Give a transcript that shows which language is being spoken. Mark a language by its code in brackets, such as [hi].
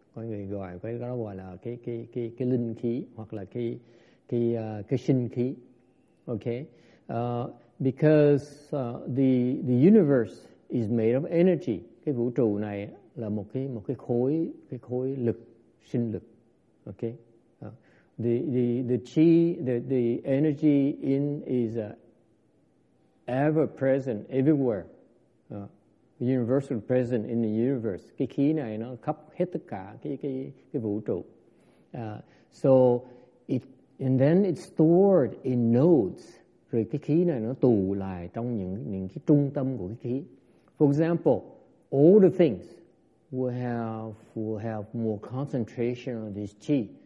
[vi] Có người gọi cái đó gọi là cái linh khí hoặc là cái sinh khí. [en] Okay, because the universe is made of energy. [vi] Cái vũ trụ này là một cái khối lực, sinh lực. [en] Okay. The energy in is ever present everywhere, universal present in the universe. [vi] Cái khí này nó khắp hết tất cả cái vũ trụ. [en] So it's stored in nodes. [vi] Rồi cái khí này nó tù lại trong những cái trung tâm của cái khí. [en] For example, all the things will have more concentration of this chi.